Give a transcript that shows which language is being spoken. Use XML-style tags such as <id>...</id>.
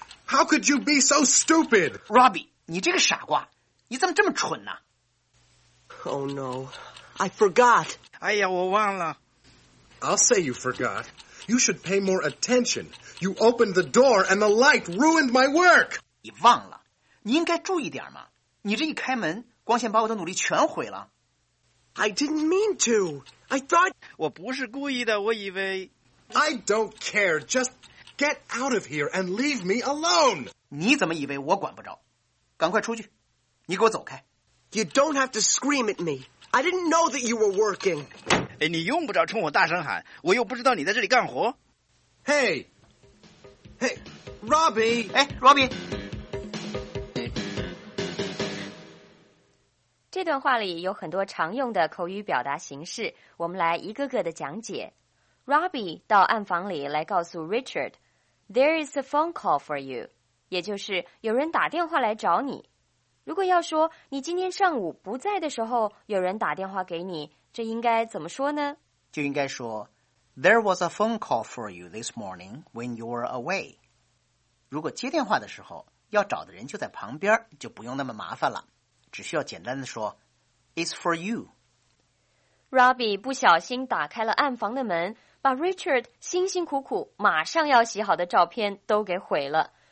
<en>How could you be so stupid?</en> <zh>Robbie, 你这个傻瓜，你怎么这么蠢呢？</zh> <en>Oh no, I forgot.</en> <zh>哎呀，我忘了。</zh> <en>I'll say you forgot. You should pay more attention. You opened the door and the light ruined my work.</en> <zh>你忘了，你应该注意点嘛。你这一开门，光线把我的努力全毁了。</zh> <en>I didn't mean to. I thought...</en> <zh>我不是故意的，我以为...</zh> <en>I don't care. Just get out of here and leave me alone.</en> <zh>你怎么以为我管不着？赶快出去，你给我走开。</zh> <en>You don't have to scream at me. I didn't know that you were working.</en> <zh>哎，你用不着冲我大声喊，我又不知道你在这里干活。</zh> <en>Hey! Hey, Robbie!</en> <zh>哎 ,Robbie! 这段话里有很多常用的口语表达形式，我们来一个个的讲解。 Robbie 到暗房里来告诉 Richard,</zh> <en>There is a phone call for you,</en> <zh>也就是有人打电话来找你。如果要说你今天上午不在的时候有人打电话给你，这应该怎么说呢？就应该说</zh> <en>There was a phone call for you this morning when you were away.</en> <zh>如果接电话的时候要找的人就在旁边，就不用那么麻烦了。只需要简单的说</zh> <en>It's for you.</en> <zh>Robbie 不小心打开了暗房的门，把 Richard 辛辛苦苦马上要洗好的照片都给毁了。</zh>